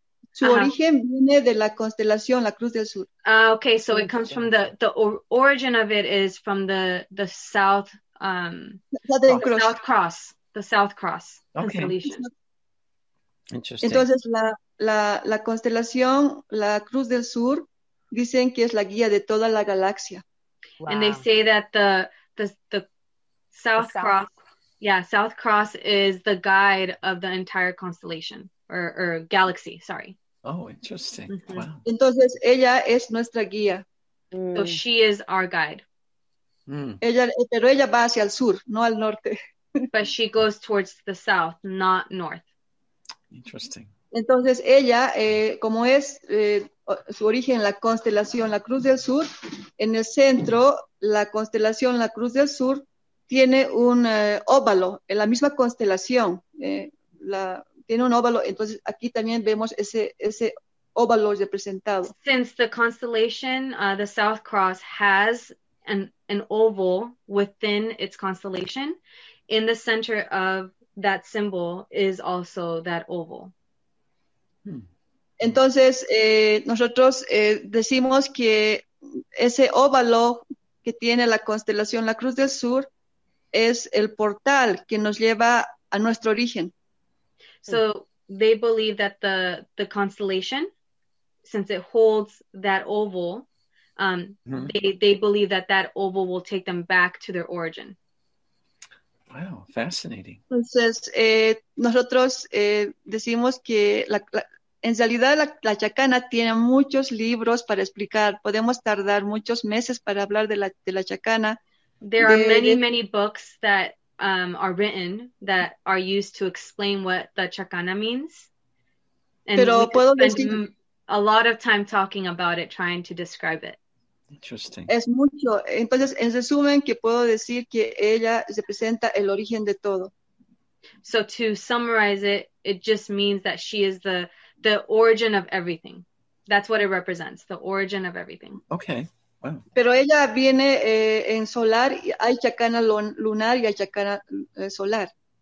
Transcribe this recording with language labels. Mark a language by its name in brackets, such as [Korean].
[Spanish] Su origen viene de la constelación, la Cruz del Sur. [English] Okay, so it comes from the origin of it is from the South Southern the Cross. South Cross. The South Cross okay. Constellation. Interesting. [Spanish] Entonces, la constelación, la Cruz del Sur, dicen que es la guía de toda la galaxia. [English] Wow. And they say that South Cross is the guide of the entire constellation or galaxy, sorry. Oh, interesting. Mm-hmm. Wow. [Spanish] Entonces, ella es nuestra guía. [English] So she is our guide. Mm. [Spanish] Pero ella va hacia el sur, no al norte. [English] But she goes towards the south, not north. Interesting. [Spanish] Entonces, ella, como es su origen, la constelación, la Cruz del Sur, en el centro, la constelación, la Cruz del Sur, tiene un óvalo, en la misma constelación, tiene un óvalo, entonces aquí también vemos ese óvalo representado. [English] Since the constellation, the South Cross, has an oval within its constellation, in the center of that symbol is also that oval. [Spanish] Entonces, nosotros decimos que ese óvalo que tiene la constelación La Cruz del Sur es el portal que nos lleva a nuestro origen. [English] So they believe that the constellation, since it holds that oval, they believe that that oval will take them back to their origin. Wow, fascinating. [Spanish] Entonces, nosotros decimos que en realidad la Chacana tiene muchos libros para explicar. Podemos tardar muchos meses para hablar de la Chacana. [English] There are many, many books that are written that are used to explain what the Chacana means. [Spanish] And pero puedo decir [English] a lot of time talking about it, trying to describe it. Interesting. [Spanish] Es mucho. Entonces, en resumen, que puedo decir que ella representa el origen de todo. [English] So to summarize it, it just means that she is the origin of everything. That's what it represents, the origin of everything. Okay. Wow. [Spanish] Pero ella viene en solar, hay chacana lunar y hay chacana solar.